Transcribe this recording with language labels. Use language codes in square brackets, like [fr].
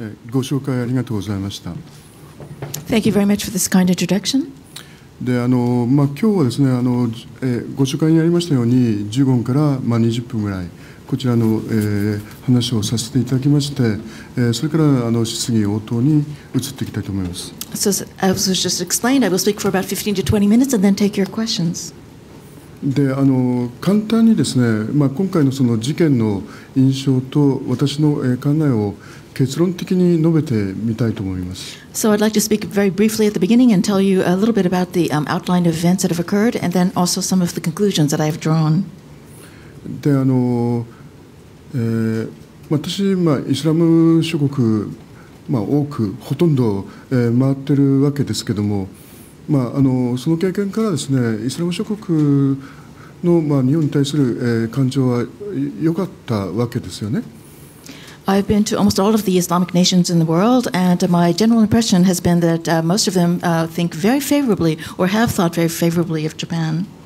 [ja] ご紹介ありがとうございました。 [en] Thank you very much for this kind introduction. [ja] で、まあ、今日はですね、ご紹介にありましたように15分から、まあ、20分ぐらいこちらの、話をさせていただきまして、それから質疑応答に移っていきたいと思います。 [en] So as was just explained, I will speak for about 15 to 20 minutes and then take your questions. [ja] で、簡単にですね、まあ、今回のその事件の印象と私の考えを結論的に述べてみたいと思います。 [en] So I'd like to speak very briefly at the beginning and tell you a little bit about the outline of events that have occurred and then also some of the conclusions that I have drawn. [ja] で、私、まあ、イスラム諸国、まあ、多くほとんど、回ってるわけですけども、まあ、その経験からですね、イスラム諸国の、まあ、日本に対する、感情は良かったわけですよね。 [en] I've been to almost all of the Islamic nations in the world, and my general impression has been that most of them think very favorably or have thought very favorably of Japan.